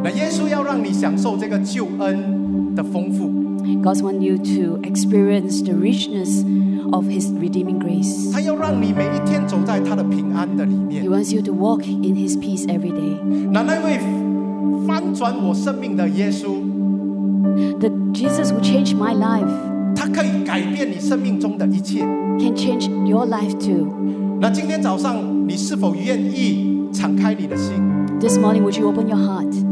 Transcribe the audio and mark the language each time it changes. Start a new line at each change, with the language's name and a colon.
Chinese: 那耶稣要让你享受这个救恩的丰富。
English: God wants you to experience the richness. Of His redeeming grace.
Chinese: 他要让你每一天走在他的平安的里面。
English: He wants you to walk in His peace every day.
Chinese: 那位翻转我生命的耶稣
English: ，The Jesus who changed my life.
Chinese: 他可以改变你生命中的一切。
English: Can change your life too.
Chinese: 那今天早上你是否愿意敞开你的心
English: ？This morning, would you open your heart?